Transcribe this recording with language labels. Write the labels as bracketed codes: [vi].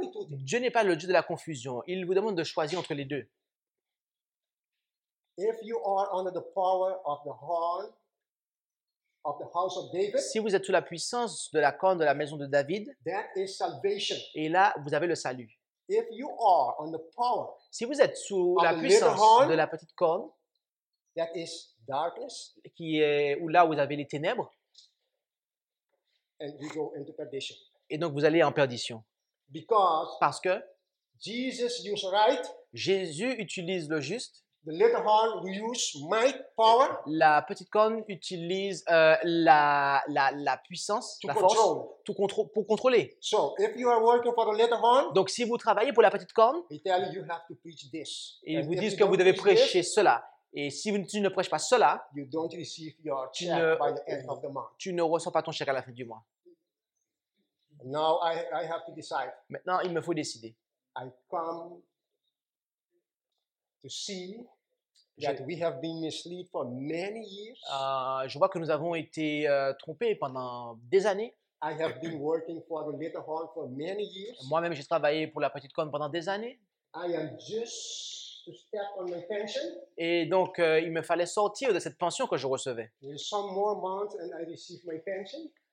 [fr] Dieu n'est pas le Dieu de la confusion. Il vous demande de choisir entre les deux. [en] If you are under the power of the horn of the house of David, [fr] si vous êtes sous la puissance de la corne de la maison de David, [en] that is salvation. [fr] Et là, vous avez le salut. [en] If you are on the power, [fr] si vous êtes sous la puissance horn, de la petite corne, [en] that is darkness, [fr] qui est où là vous avez les ténèbres, [en] and you go into perdition. [fr] Et donc vous allez en perdition. [en] Because [fr] parce que [en] Jesus used right, [fr] Jésus utilise le juste. [en] The little horn use might power. [fr] La petite corne utilise la puissance, [en] to [fr] la [en] control. [fr] Force, pour contrôler. [en] So, if you are working for the little horn, [fr] donc si vous travaillez pour la petite corne, [en] tell you have to preach this. [fr] Ils and vous disent que vous devez prêcher [en] this, [fr] cela. Et si tu ne prêches pas cela, [en] you don't receive your check by the end of the month. [fr] Tu ne reçois pas ton chèque à la fin du mois. [en] Now I have to decide. [fr] Maintenant, il me faut décider. [en] I come to see that we have been misled for many years. [fr] Je vois que nous avons été trompés pendant des années. [en] I have been working for the little horn for many years. [fr] Moi-même, j'ai travaillé pour la petite corne pendant des années. [en] I am just to step on my pension. [fr] Et donc, il me fallait sortir de cette pension que je recevais. [en] In some more months, and I receive my pension.